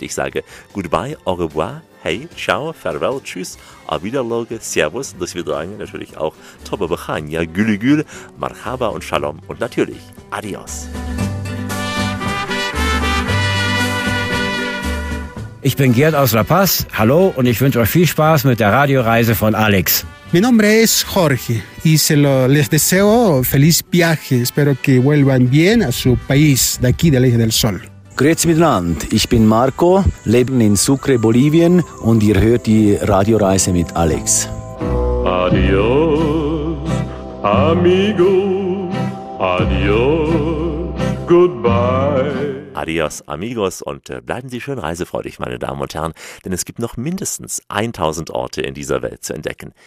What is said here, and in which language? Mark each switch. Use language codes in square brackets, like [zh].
[de] Ich sage [en] goodbye, [fr] au revoir, [de] hey, [it] ciao, [en] farewell, [de] tschüss, au wiederloge, servus, das wir sagen natürlich auch tobe bachanya, [tr] güle güle, [ar] marhaba [de] und [he] shalom [de] und natürlich [es] adios. [de] Ich bin Gerd aus La Paz, hallo und ich wünsche euch viel Spaß mit der Radioreise von Alex. [es] Mi nombre es Jorge y se lo les deseo feliz viaje. Espero que vuelvan bien a su país de aquí del Eje del Sol. [de] Grüezi miteinander. Ich bin Marco, lebe in Sucre, Bolivien und ihr hört die Radioreise mit Alex. [es] Adios, amigo. Adios, goodbye. Adios, amigos [de] und bleiben Sie schön reisefreudig, meine Damen und Herren, denn es gibt noch mindestens 1000 Orte in dieser Welt zu entdecken.